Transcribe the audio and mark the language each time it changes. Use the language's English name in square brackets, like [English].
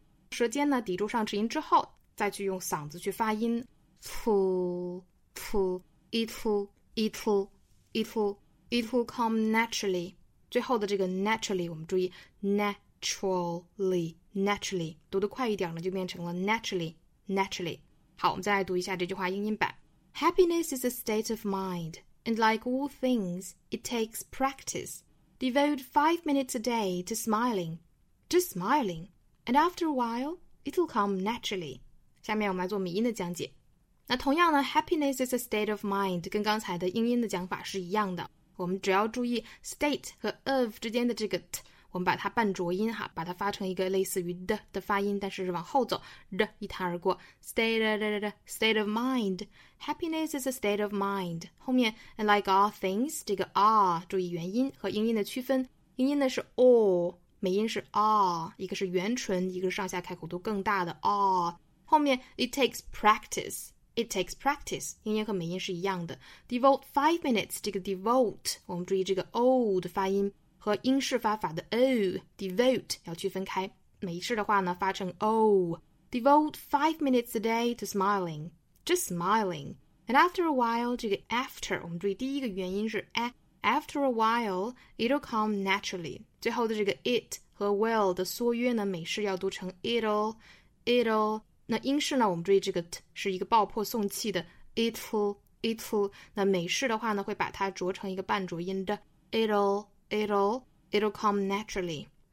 [Chinese] 舌尖呢抵住上齿音之后，再去用嗓子去发音 ，t， [English] little，little，little come naturally。 [Chinese] 最后的这个 naturally 我们注意 naturally 读得快一点呢就变成了 naturally。好，我们再来读一下这句话英音版。 [English] Happiness is a state of mind, and like all things, it takes practice. Devote 5 minutes a day to smiling, just smiling, and after a while, it'll come naturally. [Chinese] 下面我们来做母音的讲解。那同样呢， [English] happiness is a state of mind [Chinese] 跟刚才的英音的讲法是一样的，我们只要注意 state 和 of 之间的这个 t， 我们把它半浊音哈，把它发成一个类似于 d 的发音，但是往后走 r 一弹而过 state of mind， [English] happiness is a state of mind， [Chinese] 后面 [English] and like all things [Chinese] 这个 are 注意元音和英音的区分，英音的是 all， 美音是 are， 一个是元唇，一个是上下开口度更大的 are， 后面 [English] it takes practice， [Chinese] 英音和美音是一样的。 [English] devote 5 minutes， [Chinese] 这个 devote 我们注意这个 o 的发音和英式发法的 o devote 要区分开，美式的话呢发成 o。 [English] devote 5 minutes a day to smiling， just smiling， and after a while， [Chinese] 这个 after 我们注意第一个元音是 a， [English] after a while it'll come naturally， [Chinese] 最后的这个 it 和 will 的缩约呢美式要读成 it'll。那英式呢我们注意这个 t 是一个爆破送气的 it'll， 那美式的话呢会把它浊成一个半浊音的 [English] it'll come naturally。